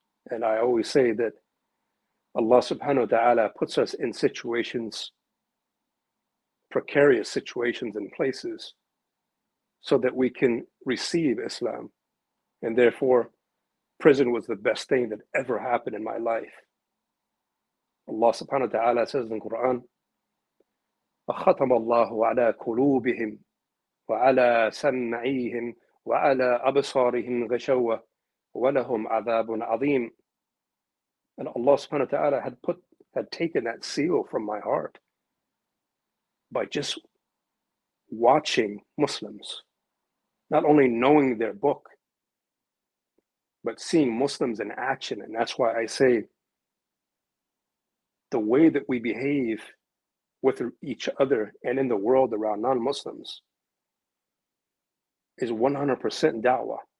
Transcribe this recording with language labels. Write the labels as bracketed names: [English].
[English] And I always say that Allah subhanahu wa ta'ala puts us in situations, precarious situations and places, so that we can receive Islam. And therefore, prison was the best thing that ever happened in my life. Allah subhanahu wa ta'ala says in Quran, [Arabic] ختم الله على قلوبهم وعلى سمعيهم وعلى أبصارهم غشوة ولهم عذاب عظيم. [English] And Allah subhanahu wa ta'ala had taken that seal from my heart by just watching Muslims, not only knowing their book, but seeing Muslims in action. And that's why I say the way that we behave with each other and in the world around non-Muslims is 100% da'wah.